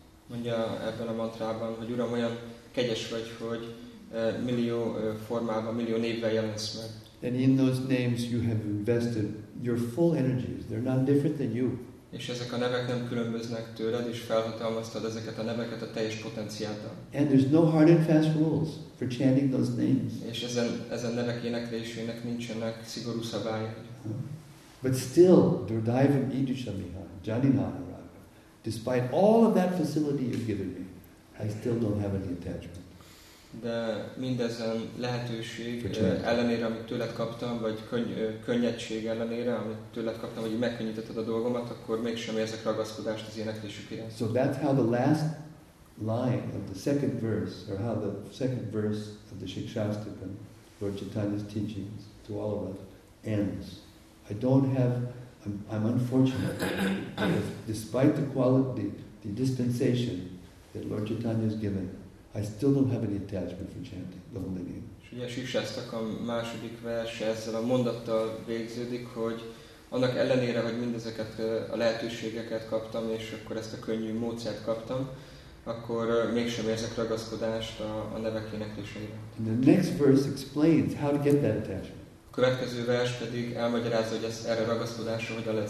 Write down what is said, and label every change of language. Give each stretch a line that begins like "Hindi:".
Hungarian: Mondja ebben a mantrában, hogy Uram, olyan kegyes vagy, hogy millió formában, millió névvel jelensz meg.
English: And in those names you have invested your full energies, they're not different than you.
Hungarian: és ezek a nevek nem különböznek tőled, és felhatalmaztad ezeket a neveket a teljes potenciáltal.
English: And there's no hard and fast rules for chanting those names.
Hungarian: És ezen nevek éneklésének nincsenek szigorú szabályok.
English: But still,
Sanskrit: Durdaivam Idushamiha, Janinaharaga,
English: despite all of that facility you've given me, I still don't have any attachment.
Hungarian: De mindezen lehetőség ellenére, amit tőled kaptam, vagy könnyedség ellenére, amit tőled kaptam, vagy megkönnyítetted a dolgomat, akkor mégsem érzek ragaszkodást az éneklésük iránt.
English: So that's how the last line of the second verse, or how the second verse of the Shikshastakam, Lord Chaitanya's teachings to all of us, ends. I don't have, I'm unfortunate, because despite the quality, the dispensation that Lord Chaitanya has given, I still don't have any attachment for chanting the holy name.
Hungarian: És ugye a Shikshastakam második verse ezzel a mondattal végződik, hogy annak ellenére, hogy mindezeket a lehetőségeket kaptam, és akkor ezt a könnyű módszert kaptam, akkor mégsem érzek ragaszkodást a nevek éneklésére.
English: And the next verse explains how to get that attachment.
Hungarian: A következő vers pedig elmagyarázza, hogy ez erre ragaszkodásra hogyan lehet